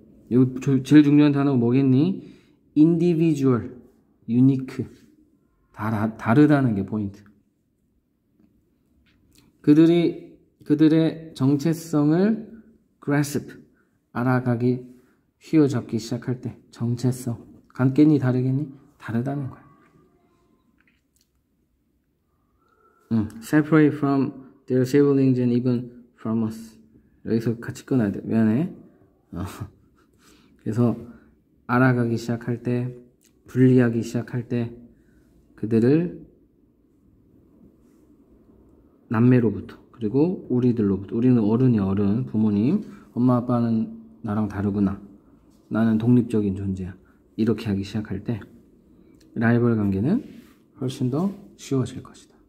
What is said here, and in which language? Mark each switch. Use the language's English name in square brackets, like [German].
[Korean] 여기 제일 중요한 단어가 뭐겠니? 인디비주얼, 유니크. 다르다는 게 포인트. 그들의 정체성을 grasp, 알아가기 휘어잡기 시작할 때 정체성 간겠니 다르겠니? 다르다는 거야. [English] Separate from their siblings and even from us. [Korean] 여기서 같이 끊어야 돼. 미안해. 그래서 알아가기 시작할 때, 분리하기 시작할 때 그들을 남매로부터 그리고 우리들로부터, 우리는 어른이 어른, 부모님, 엄마 아빠는 나랑 다르구나, 나는 독립적인 존재야, 이렇게 하기 시작할 때 라이벌 관계는 훨씬 더 쉬워질 것이다.